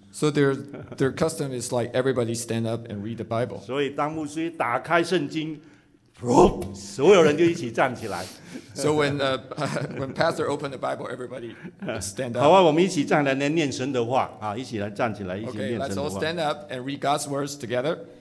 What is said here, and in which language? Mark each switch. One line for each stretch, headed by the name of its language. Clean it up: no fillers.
English: So their custom is like everybody stand up and read the Bible.
Chinese: 所以当牧师打开圣经，所有人就一起站起来。
English: So when pastor opened the Bible, everybody stand up.
Chinese: 好啊，我们一起站起来念神的话啊，一起来站起来一起念神的话。
English: Okay, let's all stand up and read God's words together.